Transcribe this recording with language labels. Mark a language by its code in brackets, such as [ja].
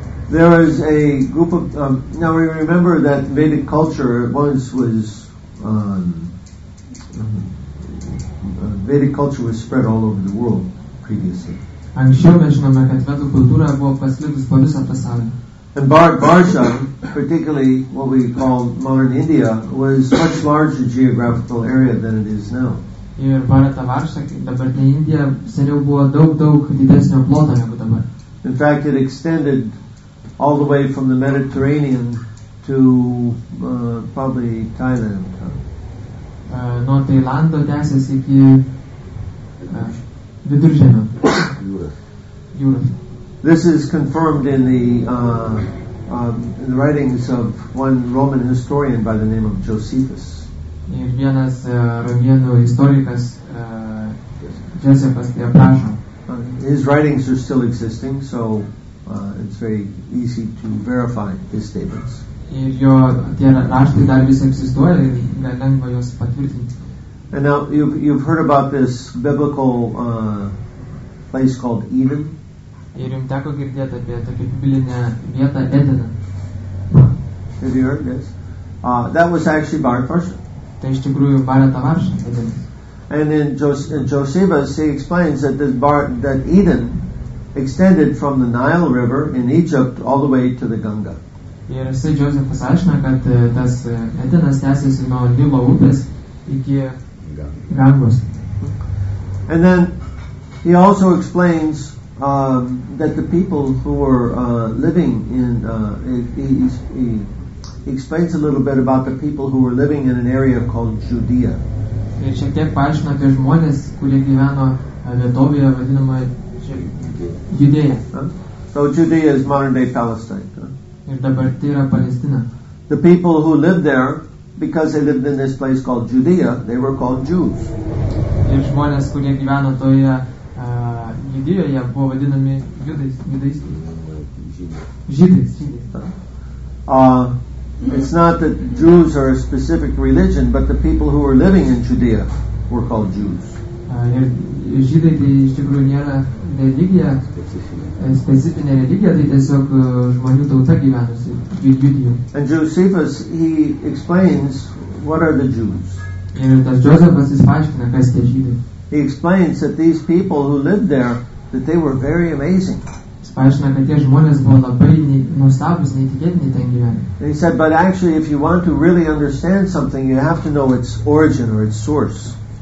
[en] There is a group of now we remember that Vedic culture was spread all over the world previously. [lt] Anksčiau mes žinome, kad vedų kultūra buvo pasklidus po visą pasaulį. [en] And Bharatvarsha, particularly what we call modern India, was much larger geographical area than it is now. [lt] Ir Bharatvarsha, dabartinė Indija, seniau buvo daug didesnio ploto negu dabar. [en] In fact, it extended all the way from the Mediterranean to probably Thailand. [lt] Nuo Tailando tęsės iki Viduržemio. [en] This is confirmed in the writings of one Roman historian by the name of Josephus. [lt] Ir vienas romėnų istorikas Josephus tai aprašo. [en] His writings are still existing, so it's very easy to verify his statements. [lt] Ir jo tie raštai dar vis egzistuoja, ir gal lengva juos patvirtinti. [en] And now you've heard about this biblical place called Eden. [lt] Ir jums teko girdėti apie tokią biblinę vietą Edeną. [en] Have you heard this? That was actually Bharatvarsha. [lt] Tai iš tikrųjų Bharatvarsha Edenas. [en] And then Josephus he explains that that Eden extended from the Nile River in Egypt all the way to the Ganga. [lt] Ir jisai Josephus aiškina, kad tas Edenas tęsiasi nuo Nilo upės iki Gangos. [en] And then he also explains that the people who were living in he explains a little bit about the people who were living in an area called Judea. [lt] Ir šiek tiek paaiškina apie žmonės, kurie gyveno vietovėje vadinama Judėja. [en] So Judea is modern day Palestine. [lt] Ir dabar tai yra Palestina. [en] The people who lived there because they lived in this place called Judea, they were called Jews. [lt] Ir žmonės, kurie gyveno toje Judėjoje, buvo vadinami judais. [en] It's not that Jews are a specific religion, but the people who were living in Judea were called Jews. [lt] Žydai tai iš tikrųjų nėra religija, specifinė religija, tai tiesiog žmonių tauta gyvenusi Judėjoje. [en] And Josephus, he explains what are the Jews. [lt] Ir tas Josephas jis paaiškina, kas tie žydai. [en] He explains that these people who lived there, that they were very amazing. [lt] Paaiškina, kad tie žmonės buvo labai nuostabūs, neįtikėtini ten gyvenę. [en] He said, but actually, if you want to really understand something, you have to know its origin or its source.